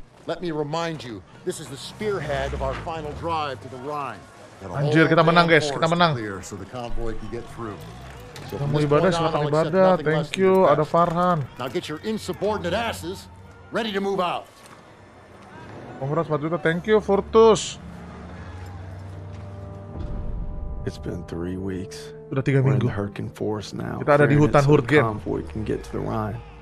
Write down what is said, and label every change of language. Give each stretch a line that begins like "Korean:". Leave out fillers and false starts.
English: Let me remind you, this is the spearhead of our final drive to the Rhine.
Indonesian: Anjir, kita menang, guys. Kita menang. Kamu ibadah, silahkan ibadah.
English: Thank you, ada Farhan. Now get your insubordinate asses ready to move out. Congrats, Pak Juta. Thank you, Furtus. It's been 3 weeks.
Indonesian: Sudah 3 minggu.
English: We're in the Hurricane Forest now.
Indonesian: Kita ada di hutan Hurricane.
English: Convoy can get to the Rhine.